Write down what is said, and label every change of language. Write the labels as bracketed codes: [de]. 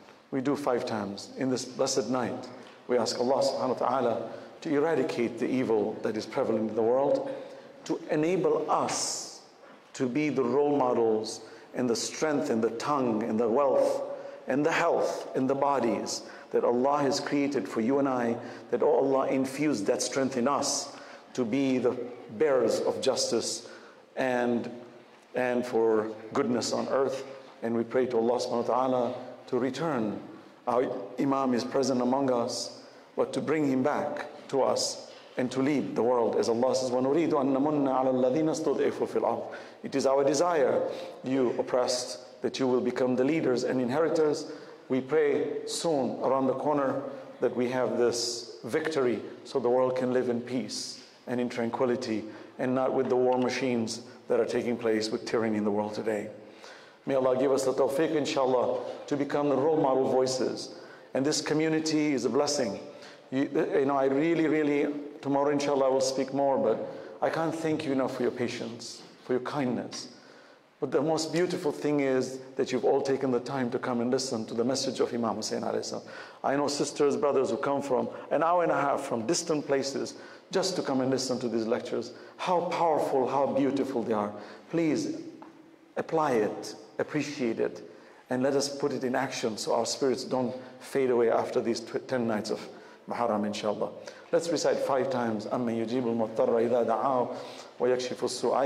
[en] We do five times. In this blessed night, we ask Allah subhanahu wa ta'ala to eradicate the evil that is prevalent in the world, to enable us to be the role models and the strength and the tongue and the wealth and the health and the bodies that Allah has created for you and I, that oh Allah infused that strength in us to be the bearers of justice and for goodness on earth. And we pray to Allah subhanahu wa ta'ala to return. Our Imam is present among us, but to bring him back to us and to lead the world. As Allah says, [ar] وَنُرِيدُ أَنَّ مُنَّ عَلَى الَّذِينَ اسْتُضْعِفُوا فِي الْأَرْضِ. [en] It is our desire, you oppressed, that you will become the leaders and inheritors. We pray soon around the corner that we have this victory so the world can live in peace and in tranquility and not with the war machines that are taking place with tyranny in the world today. May Allah give us the tawfiq, inshallah, to become the role model voices. And this community is a blessing. You know, I really, really, tomorrow, inshallah, I will speak more, but I can't thank you enough for your patience, for your kindness. But the most beautiful thing is that you've all taken the time to come and listen to the message of Imam Hussein alayhi salam. I know sisters, brothers who come from an hour and a half from distant places just to come and listen to these lectures. How powerful, how beautiful they are. Please apply it, appreciate it, and let us put it in action so our spirits don't fade away after these 10 nights of Muharram, inshallah. Let's recite five times, [ar] أَمَّنْ يُجِيبُ الْمُضْطَرَّ إِذَا دَعَاهُ وَيَكْشِفُ السُّوءَ.